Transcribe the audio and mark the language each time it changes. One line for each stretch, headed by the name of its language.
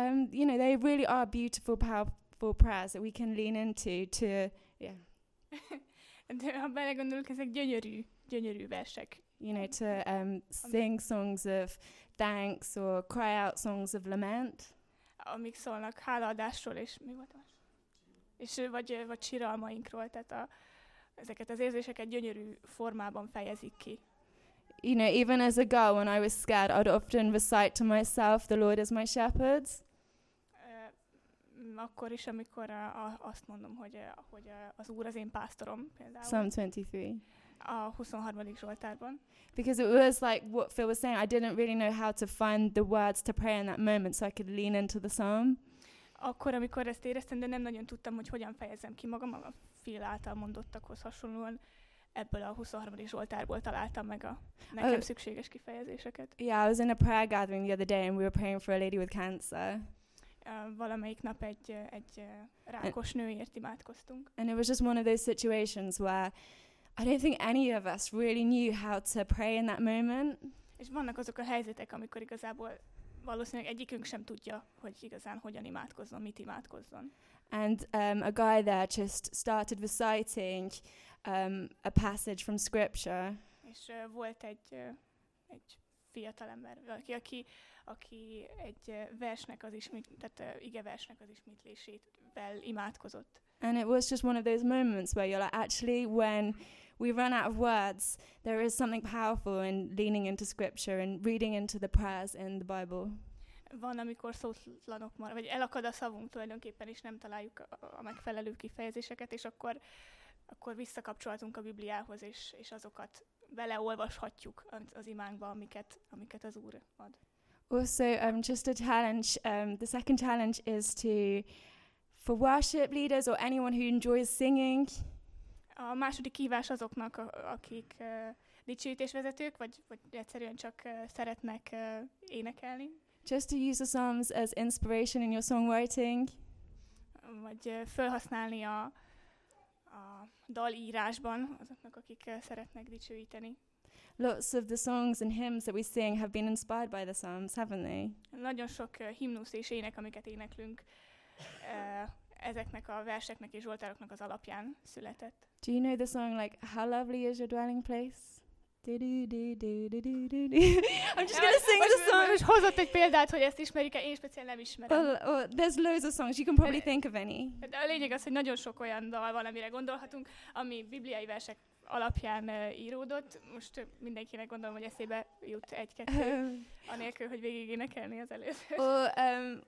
English: You know, they really are beautiful, powerful prayers that we can lean into to, yeah.
Hungarian: De ha belegondolunk, ezek gyönyörű versek.
English: You know, to sing songs of thanks or cry out songs of lament.
Hungarian: Amik szólnak hálaadásról, és mi volt az? És vagy síralmainkról, tehát ezeket az érzéseket gyönyörű formában fejezik ki.
English: You know, even as a girl, when I was scared, I'd often recite to myself, "The Lord is my shepherd."
Hungarian: Akkor is, amikor azt mondom, hogy az Úr az én pásztorom, például.
English: Psalm 23.
Hungarian: A 23. Zsoltárban.
English: Because it was like what Phil was saying, I didn't really know how to find the words to pray in that moment, so I could lean into the psalm.
Hungarian: Akkor, amikor ezt éreztem, de nem nagyon tudtam, hogy hogyan fejezem ki magam, a Phil által mondottakhoz hasonlóan, ebből a 23. Zsoltárból találtam meg a nekem szükséges kifejezéseket.
English: Yeah, I was in a prayer gathering the other day, and we were praying for a lady with cancer.
Hungarian: Valamelyik nap egy rákos nőért imádkoztunk.
English: And it was just one of those situations where I don't think any of us really knew how to pray in that moment.
Hungarian: És vannak azok a helyzetek, amikor igazából valószínűleg egyikünk sem tudja, hogy igazán hogyan imádkozzon, mit imádkozzon.
English: And a guy there just started reciting a passage from scripture.
Hungarian: És volt egy fiatalember, aki egy versnek az ismét, tehát ige versnek az ismétlésével imádkozott.
English: And it was just one of those moments where you're like, actually, when we run out of words, there is something powerful in leaning into scripture and reading into the prayers in the Bible.
Hungarian: Van, amikor szótlanok marad, vagy elakad a szavunk tulajdonképpen, és nem találjuk a megfelelő kifejezéseket, és akkor visszakapcsolhatunk a Bibliához, és azokat beleolvashatjuk az imánkba, amiket az Úr ad.
English: Also, just a challenge, the second challenge is to, for worship leaders or anyone who enjoys singing.
Hungarian: A második kívás azoknak, akik dicsőítésvezetők, vagy egyszerűen csak szeretnek énekelni.
English: Just to use the Psalms as inspiration in your songwriting.
Hungarian: Vagy felhasználni a dalírásban azoknak, akik szeretnek dicsőíteni.
English: Lots of the songs and hymns that we sing have been inspired by the Psalms, haven't they?
Hungarian: Nagyon sok himnusz és ének, amiket éneklünk, ezeknek a verseknek és zsoltároknak az alapján született.
English: Do you know the song like "How lovely is your dwelling place"? I'm just gonna sing the song.
Hungarian: Most hozott egy példát, hogy ezt ismerik-e, én speciál nem ismerem.
English: Well, there's loads of songs, you can probably think of any.
Hungarian: De a lényeg az, hogy nagyon sok olyan dal van, amire gondolhatunk, ami bibliai versek alapján íródott. Most mindenkinek gondolom, hogy eszébe jut egy-kettő, anélkül, hogy végig énekelni az előző.